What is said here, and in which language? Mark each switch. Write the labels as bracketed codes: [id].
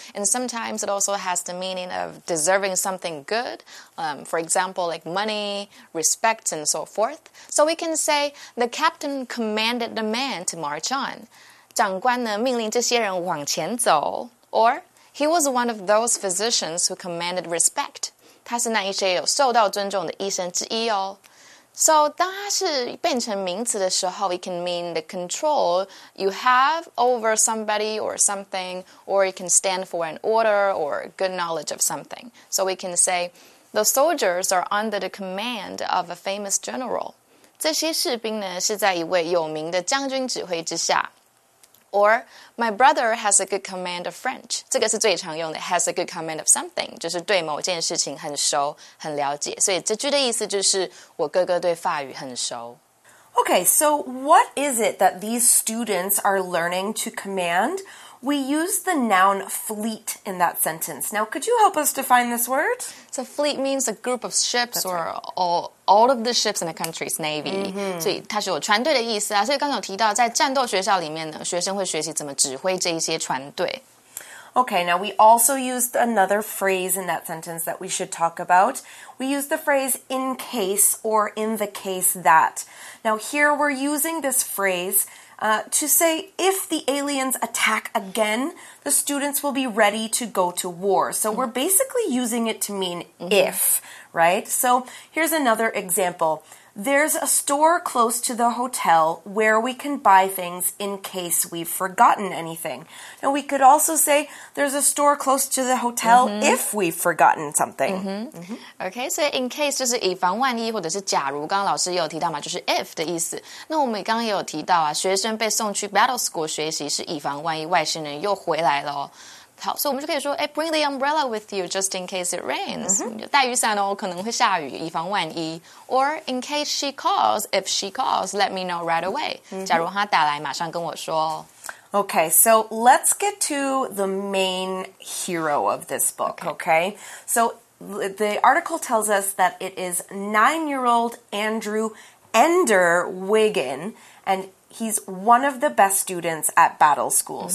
[en] And sometimes it also has the meaning of deserving something good,、for example, like money, respect, and so forth. So we can say, the captain commanded the man to march. John, [zh] 长官呢命令这些人往前走 [en] or he was one of those physicians who commanded respect. [zh] 他是那一些有受到尊重的医生之一哦。 [en] So, [zh] 当它是变成名词的时候 [en] it can mean the control you have over somebody or something, or it can stand for an order or good knowledge of something. So we can say, the soldiers are under the command of a famous general. [zh] 这些士兵呢是在一位有名的将军指挥之下。 [en] Or, my brother has a good command of French. [zh] 这个是最常用的 [en] has a good command of something, [zh] 就是对某件事情很熟很了解。所以这句的意思就是我哥哥对法语很熟。 [en] Okay, so what is it that these students are learning to command? We use the noun fleet in that sentence. Now, could you help us define this word? So fleet means a group of ships all of the ships in a country's navy.、 Mm-hmm. [zh] 所以它是有船队的意思啊。所以刚刚有提到在战斗学校里面呢，学生会学习怎么指挥这一些船队。 [en] Okay, now we also used another phrase in that sentence that we should talk about. We used the phrase in case or in the case that. Now here we're using this phrase、to say if the aliens attack again, the students will be ready to go to war. So、mm-hmm. we're basically using it to mean、mm-hmm. if, right? So here's another example. There's a store close to the hotel where we can buy things in case we've forgotten anything. Now, we could also say there's a store close to the hotel、mm-hmm. if we've forgotten something.、 [zh] Mm-hmm. Mm-hmm. [en] Okay, so [zh] in case 就是以防万一或者是假如刚刚老师也有提到嘛，就是 if 的意思。那我们刚刚也有提到啊，学生被送去 battle school 学习是以防万一外星人又回来了哦。好，所以我们就可以说，哎 [en] ，bring the umbrella with you just in case it rains.、 Mm-hmm. [zh] 带雨伞哦，可能会下雨，以防万一。 [en] Or in case she calls, if she calls, let me know right away.、 Mm-hmm. [zh] 假如她打来，马上跟我说。 [en] Okay, so let's get to the main hero of this book. Okay, okay? So the article tells us that it is 9-year-old Andrew Ender Wiggin, and he's one of the best students at Battle School.、